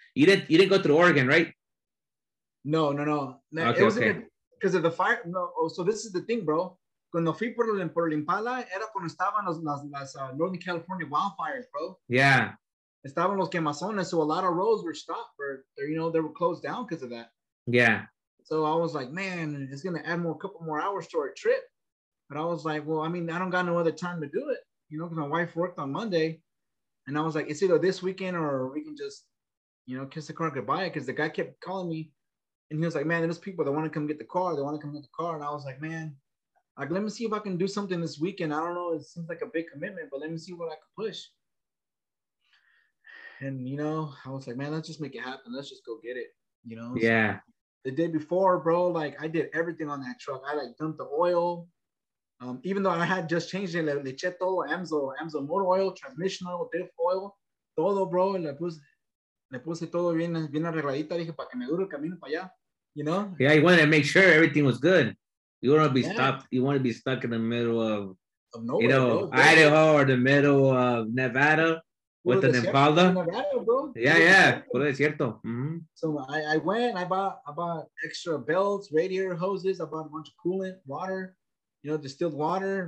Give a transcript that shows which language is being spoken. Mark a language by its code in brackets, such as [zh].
[en] You didn't go through Oregon, right? No. Okay. Because of the fire. No, so this is the thing, bro. [es] Cuando fui por el Impala, era cuando estaban las [en] Northern California wildfires, bro. Yeah. [es] Estaban los quemazones, [en] so a lot of roads were stopped, or you know, they were closed down because of that. Yeah. So I was like, man, it's going to add a couple more hours to our trip. But I was like, well, I mean, I don't got no other time to do it, you know, because my wife worked on Monday. And I was like, it's either this weekend or we can just, you know, kiss the car goodbye, because the guy kept calling me. And he was like, man, there's people that want to come get the car. They want to come get the car. And I was like, man. Like, let me see if I can do something this weekend. I don't know. It seems like a big commitment, but let me see what I can push. And, you know, I was like, man, let's just make it happen. Let's just go get it, you know? Yeah. So the day before, bro, like, I did everything on that truck. I, like, dumped the oil. Even though I had just changed it, [es] le eché todo, [en] AMSO motor oil, transmission oil, diff oil, todo, bro. [es] Le puse todo bien arregladita. Dije, para que me dure el camino para allá, [en] you know? Yeah, you wanted to make sure everything was good. You want to be stopped. You want to be stuck in the middle of nowhere, you know, bro. Idaho or the middle of Nevada with an Impala. Nevada, yeah, yeah. Mm-hmm. So I went. I bought extra belts, radiator hoses. I bought a bunch of coolant, water, you know, distilled water.